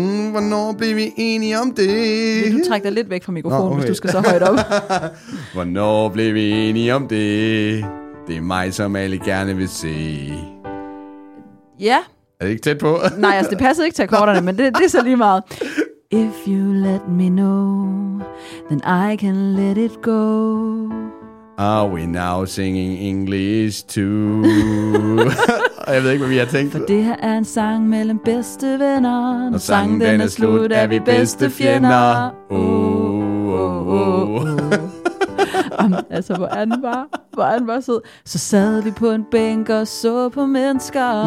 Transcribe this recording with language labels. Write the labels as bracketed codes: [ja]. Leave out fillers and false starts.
[da] Hvornår blev vi enige om det? Vil du trække dig lidt væk fra mikrofonen, okay, hvis du skal så højt op? Hvornår blev vi enige om det? Det er mig, som alle gerne vil se. Ja. Er det ikke tæt på? Nej, altså det passede ikke til akkorderne, men det er så lige meget. [en] If you let me know, then I can let it go. Are we now singing English too? [da] Jeg ved ikke, hvad vi har tænkt. For det her er en sang mellem bedste venner. Når sangen den er slut, er vi bedste fjender. Oh, oh, oh. Altså, hvor er den bare sød. Så sad vi på en bænk og så på mennesker.